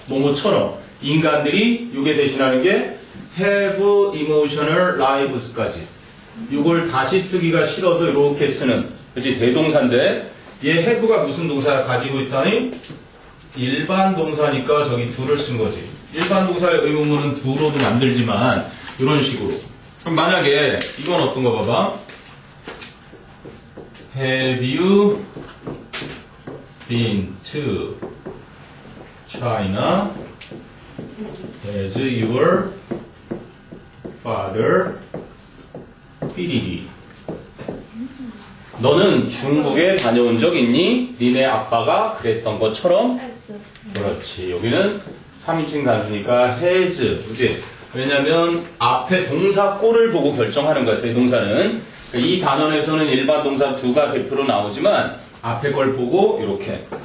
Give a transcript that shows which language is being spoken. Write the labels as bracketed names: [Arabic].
[Korean] 뭐 뭐처럼 인간들이 이게 대신하는 게 [English] have emotional lives [Korean] 까지 이걸 다시 쓰기가 싫어서 이렇게 쓰는, 그치? 대동사인데 얘 have가 무슨 동사를 가지고 있다니? 일반 동사니까 저기 do를 쓴 거지. 일반 동사의 의문문은 do로도 만들지만 이런 식으로. 그럼 만약에 이건 어떤 거 봐봐. [English] Have you been to China as your father did? [Korean] 너는 중국에 다녀온 적 있니? 니네 아빠가 그랬던 것처럼? 그렇지. 여기는 3인칭 단수니까 has, 그치? 왜냐면 앞에 동사 꼴을 보고 결정하는 것 같아요, 동사는. 이 단원에서는 일반 동사 두가 대표로 나오지만 앞에 걸 보고 이렇게.